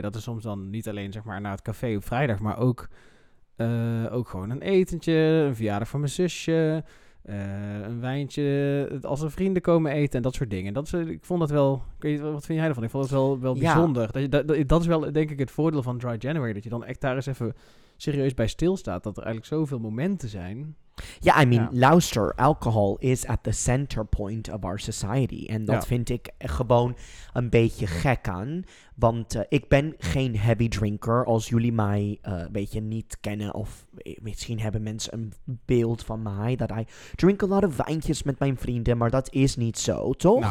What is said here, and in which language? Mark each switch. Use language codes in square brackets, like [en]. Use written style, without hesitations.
[nl] Dat is soms dan niet alleen zeg maar naar het café op vrijdag, maar ook gewoon een etentje, een verjaardag van mijn zusje. Een wijntje, als er vrienden komen eten en dat soort dingen. Ik vond dat wel, wat vind jij ervan? Ik vond dat wel bijzonder. Dat is wel, denk ik, het voordeel van Dry January. Dat je dan echt daar eens even serieus bij stilstaat. Dat er eigenlijk zoveel momenten zijn. [en] Ja, yeah, I mean, [nl] luister, [en] alcohol is at the center point of our society. [nl] En dat vind ik gewoon een beetje gek aan. Want ik ben geen heavy drinker. Als jullie mij een beetje niet kennen, of misschien hebben mensen een beeld van mij, dat [en] I drink a lot of [nl] wijntjes met mijn vrienden, maar dat is niet zo, toch?